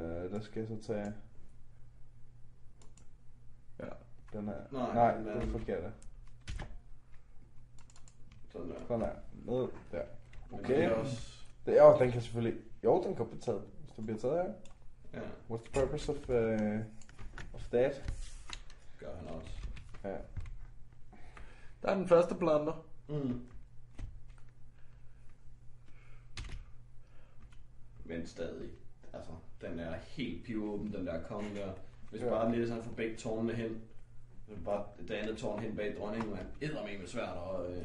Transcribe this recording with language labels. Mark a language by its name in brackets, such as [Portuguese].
[Danish] Der skal jeg så tage... Den her. Nej, det er forkert. Sådan der. Ned der. Okay. Det er også... den kan selvfølgelig... Jo, den kan blive taget. Hvis den bliver taget her. Ja. [English] What's the purpose of that? [Danish] Det gør han også. Ja. Der er den første blunder. Men stadig. Altså, den er helt pivåben, den der konge der. Hvis bare den lige sådan får begge tårnene hen. Det er bare det andet tårn hen bag dronningen, man æder med med svært og...